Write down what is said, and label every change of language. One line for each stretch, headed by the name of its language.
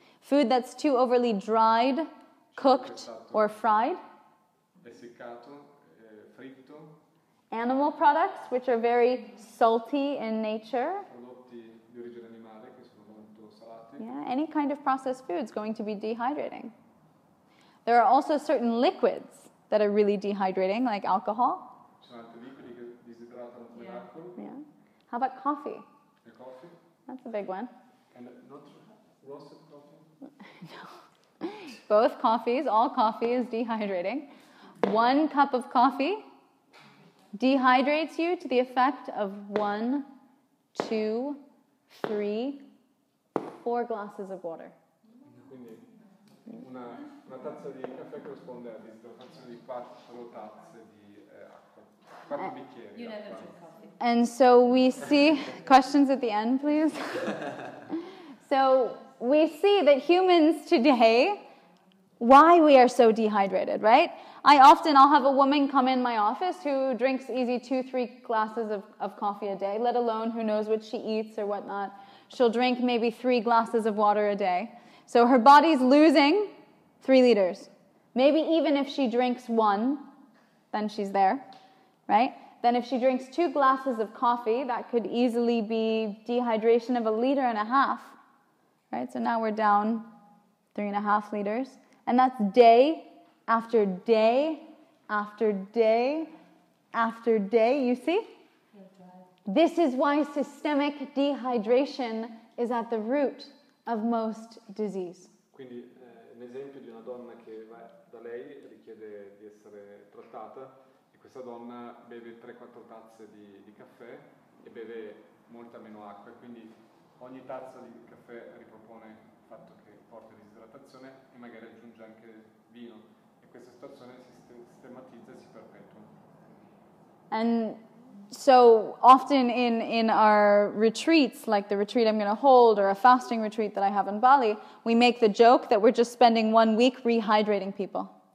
English: Food that's too overly dried, cooked or fried.
Italian: Essiccato, fritto.
English: Animal products, which are very salty in nature.
Italian: Prodotti di origine animale che sono molto salati.
English: Yeah, any kind of processed food is going to be dehydrating. There are also certain liquids that are really dehydrating, like alcohol.
Italian: Ci sono altri liquidi che disidratano come l'acqua.
English: Yeah. How about coffee? The coffee. That's a big one. And not roasted coffee? No. Both coffees, all coffee is dehydrating. 1 cup of coffee dehydrates you to the effect of 1, 2, 3, 4 glasses of water.
Italian: Quindi una tazza di caffè corrisponde a disidratazione di 4 tazze di acqua. 4 bicchieri.
English: You never drink coffee. And so we see questions at the end, please. So we see that humans today, why we are so dehydrated, right? I'll have a woman come in my office who drinks easy 2-3 glasses of coffee a day, let alone who knows what she eats or whatnot. She'll drink maybe 3 glasses of water a day. So her body's losing 3 liters. Maybe even if she drinks 1, then she's there, right? Then if she drinks 2 glasses of coffee, that could easily be dehydration of 1.5 liters. Right, so now we're down 3.5 liters. And that's day after day after day after day, you see? This is why systemic dehydration is at the root of most disease.
Italian: Quindi un esempio di una donna che va da lei e richiede di essere trattata, e questa donna beve 3-4 tazze di caffè e beve molta meno acqua, quindi ogni tazza di caffè ripropone il fatto che porta disidratazione e magari aggiunge anche vino, e questa situazione si sistematizza e si perpetua.
English: And so often in our retreats, like the retreat I'm going to hold or a fasting retreat that I have in Bali, we make the joke that we're just spending 1 week rehydrating people.